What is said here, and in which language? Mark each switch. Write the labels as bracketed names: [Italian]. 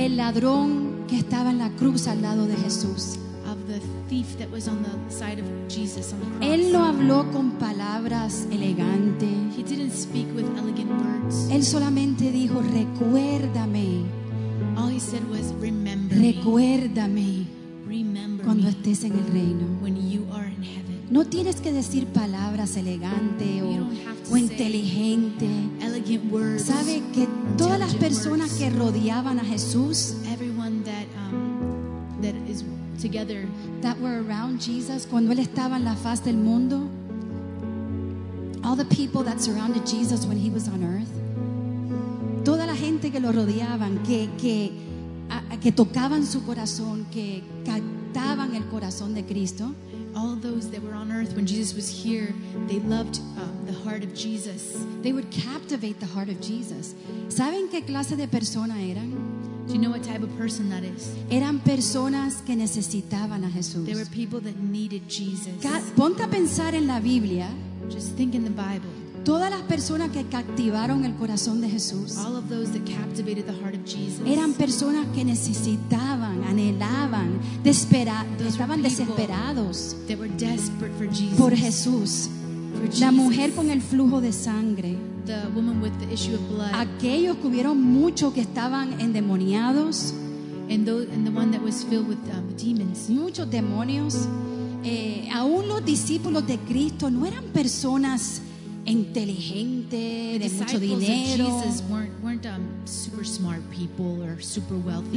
[Spanish] El ladrón que estaba en la cruz al lado de Jesús. [English] Of the thief that was on the side of Jesus on the cross. [Spanish] Él no habló con palabras elegantes. [English] He didn't speak with elegant words. [Spanish] Él solamente dijo recuérdame. [English] All he said was remember. [Spanish] Recuérdame. [English] Remember [Spanish] cuando estés en el reino. [English] When you are in heaven. [Spanish] No tienes que decir palabras elegantes o inteligentes. [English] Elegant words. [Spanish] Sabe que todas las personas [English] words. [Spanish] Que rodeaban a Jesús. [English] Everyone that that is together. That were around Jesus [Spanish] cuando él estaba en la faz del mundo. [English] All the people that surrounded Jesus when he was on earth. [Spanish] Toda la gente que lo rodeaban, que tocaban su corazón, que captaban el corazón de Cristo. [English] all those that were on earth when Jesus was here, they loved the heart of Jesus. They would captivate the heart of Jesus. [Spanish] ¿Saben qué clase de persona eran? [English] Do you know what type of person that is? [Spanish] Eran personas que necesitaban a Jesús. [English] They were people that needed Jesus. [Spanish] Ponte a pensar en la Biblia. [English] Just think in the Bible. [Spanish] Todas las personas que captivaron el corazón de Jesús. [English] All of those that captivated the heart of Jesus. [Spanish] Eran personas que necesitaban, anhelaban, estaban desesperados. [English] They were desperate for Jesus. [Spanish] Por Jesús. [English] For Jesus. [Spanish] La mujer con el flujo de sangre. [English] The woman with the issue of blood. [Spanish] Aquellos que hubieron muchos que estaban endemoniados. [English] And the one that was filled with demons. [Spanish] Muchos demonios. Aún los discípulos de Cristo no eran personas inteligentes, de mucho dinero. [English] The disciples of Jesus weren't super smart people or super wealthy.